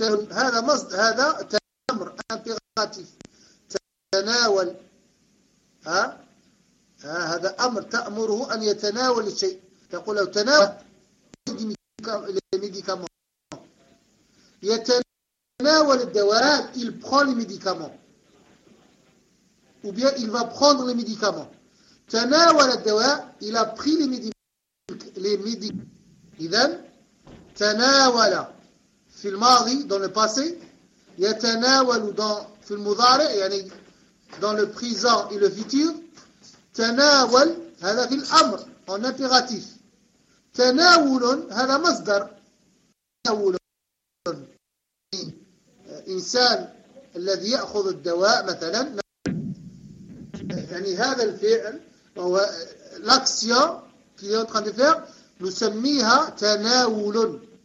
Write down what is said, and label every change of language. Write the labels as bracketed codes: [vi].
[ar] هذا مصدر، هذا أمر، أنفقاتيف، تناول، هذا أمر، تأمره أن يتناول الشيء، تقول له تناول ميديكامون، يتناول الدواء، [fr] il prend les médicaments، [ar] ou bien il va prendre les médicaments. تناول الدواء، [fr] il a pris les médicaments. [ar] إذن تناول في الماضي، [fr] dans le passé، [ar] يتناول في المضارع، يعني [fr] dans le présent et le futur. [ar] تناول هذا في الأمر [fr] en impératif. [ar] تناول هذا مصدر، تناول إنسان الذي يأخذ الدواء مثلا، يعني هذا الفعل هو [fr] l'action qu'il est en train de faire، [ar] نسميها تناول.